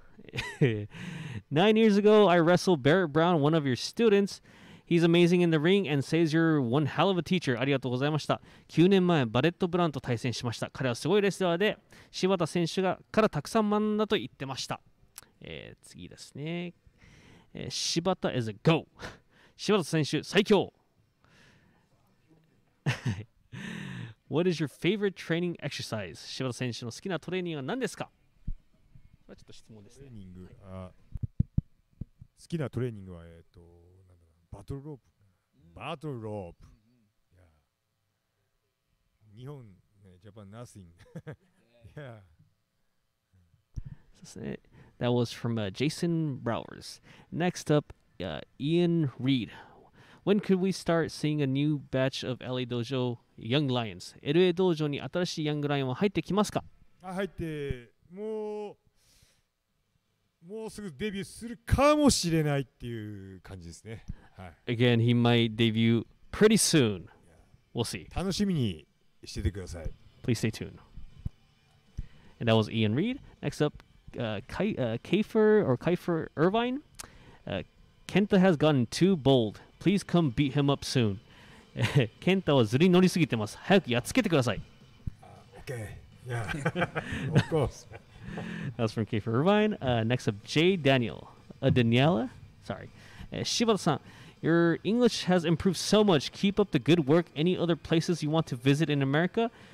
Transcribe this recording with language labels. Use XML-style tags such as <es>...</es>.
<en>9 years ago, I wrestled Barrett Brown, one of your students. He's amazing in the ring and says you're one hell of a teacher.</en> <ja>ありがとうございました。9年前、バレット・ブラウンと対戦しました。彼はすごいレスラーで、Shibata 選手がからたくさん学んだと言ってました。次ですね。</ja> <en>Shibata is a go! Shibata 選手、最強What is your favorite training exercise?</en> <ja>柴田選手の好きなトレーニングは何ですか？これはちょっと質問ですね。トレーニング、はい、好きなトレーニングは、なんだろう、バトルロープ。バトルロープ。いや日本、ね、</ja> <en>ジャパン、ナッシング。</en> <ja>そうですね。</ja> <en>That was from、Jason Browers. Next up,、Ian Reed. When could we start seeing a new batch of LA Dojo Young Lions?</en> <ja>LA Dojo に新しいヤングライオンは入ってきますか？あ、入って、もうすぐデビューするかもしれないっていう感じですね。はい。</ja> <en>Again, he might debut pretty soon. We'll see.</en> <ja>楽しみにしててください。</ja> <en>Please stay tuned. And that was Ian Reed. Next up, Kiefer Irvine. Kenta has gotten too bold. Please come beat him up soon.</en> <ja>ケンタはズリ乗りすぎてます。早くやっつけてください。</ja> <en>Okay. Yeah. of course. That was from Kiefer Irvine.、next up, Jay Daniel.、Daniela? Sorry.、Shibata-san, your English has improved so much. Keep up the good work. Any other places you want to visit in America?</en>